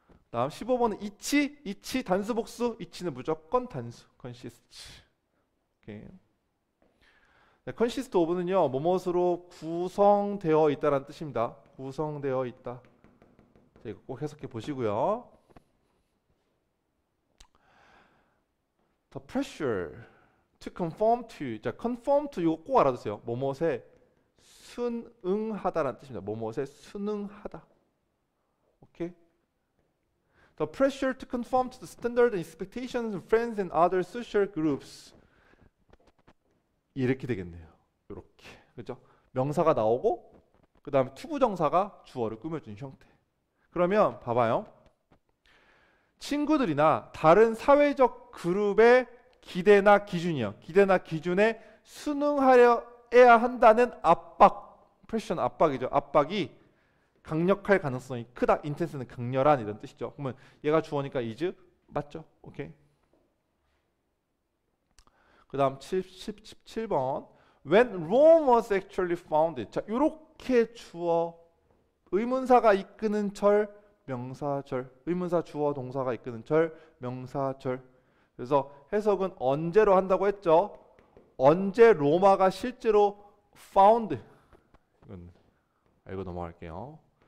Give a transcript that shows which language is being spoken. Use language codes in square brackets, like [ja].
[ko] 다음 15번은 이치 단수 복수 이치는 무조건 단수 consists. 오케이. 네, consist of는요 무엇으로 구성되어 있다라는 뜻입니다. 구성되어 있다. 자, 이거 꼭 해석해 보시고요. [en] The pressure to conform to [ko] 자 [en] conform to [ko] 이거 꼭 알아두세요. 무엇에 순응하다라는 뜻입니다. 무엇에 순응하다. 오케이. [en] The pressure to conform to the standard and expectations of friends and other social groups. [ko] 이렇게 되겠네요. 이렇게. 그렇죠? 명사가 나오고 그다음에 to 부정사가 주어를 꾸며주는 형태. 그러면 봐봐요. 친구들이나 다른 사회적 그룹의 기대나 기준이요. 기대나 기준에 순응하려 해야 한다는 압박, pressure 압박이죠. 압박이 강력할 가능성이 크다. intense는 강렬한 이런 뜻이죠. 그러면 얘가 주어니까 is 맞죠? 오케이. 그다음 77번. [en] When Rome was actually founded. [ko] 자, 요렇게 주어 의문사가 이끄는 절 명사절. 의문사 주어 동사가 이끄는 절 명사절. 그래서 해석은 언제로 한다고 했죠? 언제 로마가 실제로 found. 이건 알고 넘어갈게요.